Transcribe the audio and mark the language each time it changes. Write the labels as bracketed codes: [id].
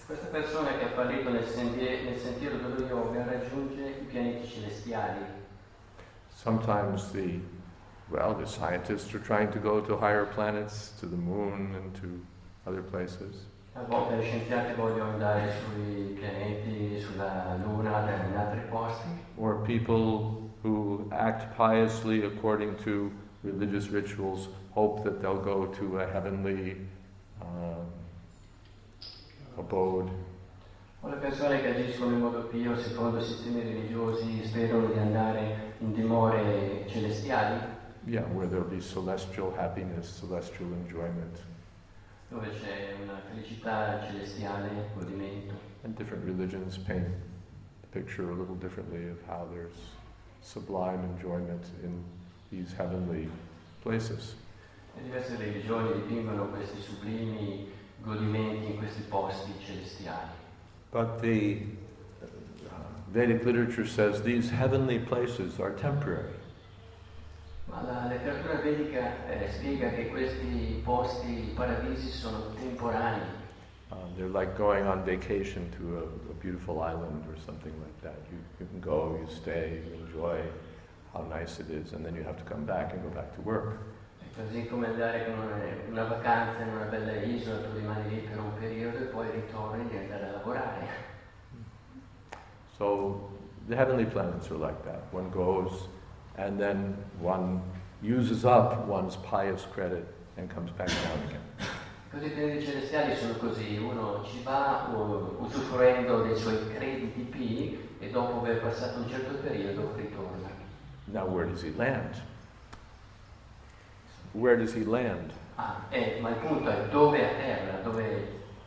[it] persona che ha fallito nel sentiero dello yoga raggiunge i pianeti celestiali. [en] Sometimes the scientists are trying to go to higher planets, to the moon and to other places. [it] A volte gli scienziati vogliono andare sui pianeti, sulla luna, in altri posti. [en] Or people who act piously according to religious rituals hope that they'll go to a heavenly abode. [it] O le persone che agiscono in modo pio secondo sistemi religiosi sperano di andare in dimore celestiali. [en] Yeah, where there'll be celestial happiness, celestial enjoyment. [it] Dove c'è una felicità celestiale, godimento. [en] And different religions paint the picture a little differently of how there's sublime enjoyment in these heavenly places. [it] E diverse religioni dipingono questi sublimi godimenti in questi posti celestiali. [en] But the Vedic literature says these heavenly places are temporary. [it] Ma la letteratura vedica spiega che questi posti, i paradisi, sono temporanei. [en] They're like going on vacation to a beautiful island or something like that. You can go, you stay, you enjoy how nice it is, and then you have to come back and go back to work. [it] È così come andare con una vacanza in una bella isola, tu rimani lì per un periodo e poi ritorni e andare a lavorare. [en] So the heavenly planets are like that. One goes and then one uses up one's pious credit and comes back down again. [it] Così i celestiali sono così, uno ci va usufruendo dei suoi crediti pi e dopo aver passato un certo periodo ritorna. [en] Now where does he land? Where does he land? [it] Ah, ma il punto è dove atterra, dove.